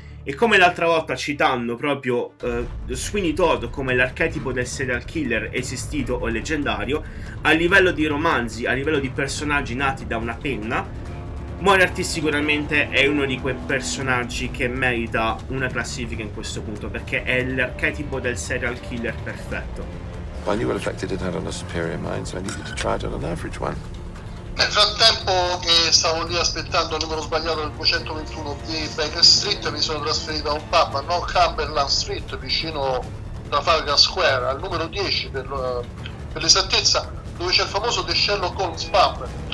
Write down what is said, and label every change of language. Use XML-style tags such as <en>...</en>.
<it>E come l'altra volta citando proprio Sweeney Todd come l'archetipo del serial killer esistito o leggendario, a livello di romanzi, a livello di personaggi nati da una penna, Moriarty sicuramente è uno di quei personaggi che merita una classifica in questo punto, perché è l'archetipo del serial killer perfetto.</it> <en>Well, you reflected it out on a superior mind, so I need to try it on an average one.</en> <it>Nel frattempo che stavo lì aspettando il numero sbagliato del 221 di Baker Street, mi sono trasferito a un pub a North Cumberland Street, vicino Trafalgar Square, al numero 10 per l'esattezza, dove c'è il famoso The Sherlock Holmes Pub.</it>